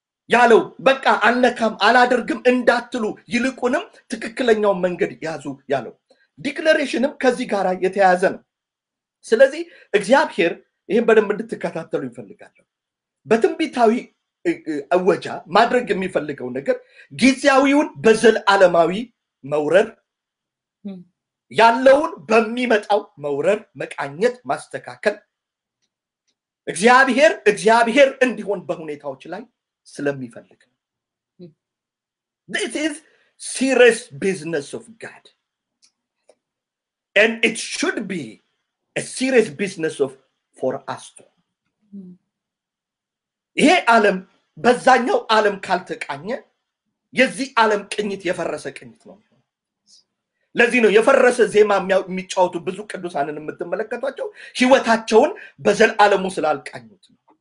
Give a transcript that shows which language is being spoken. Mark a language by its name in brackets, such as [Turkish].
[Amharic] ያለው። በቃ አነካም አላደርግም እንዳትሉ ይልቁንም ትክክለኛውን መንገድ ያዙ ያለው። ዲክለሬሽንም ከዚህ ጋር የተያያዘ ነው። ስለዚህ እግዚአብሔር ይህን በደንብ እንድትከታተሉ ይፈልጋለሁ። በትንቢታዊ አወጃ ማድረግ የሚፈልገው ነገር ጊዜያዊውን በዘላለማዊ መውረር፣ ያለውን በሚመጣው መውረር፣ መቃኘት፣ ማስተካከል እግዚአብሔር እንዲሆን በሁኔታዎች ላይ ስለሚፈልግ ነው። [English] This is serious business of God. And it should be a serious business of for us too. [Amharic] ይሄ ዓለም በዛኛው ዓለም ካልተቃኘ የዚህ ዓለም ቅኝት የፈረሰ ቅኝት ነው። ለዚህ ነው የፈረሰ ዜማ የሚጫወቱ ብዙ ቅዱሳንን የምትመለከቷቸው ህይወታቸውን በዘላለሙ ስላልቃኙት ነው።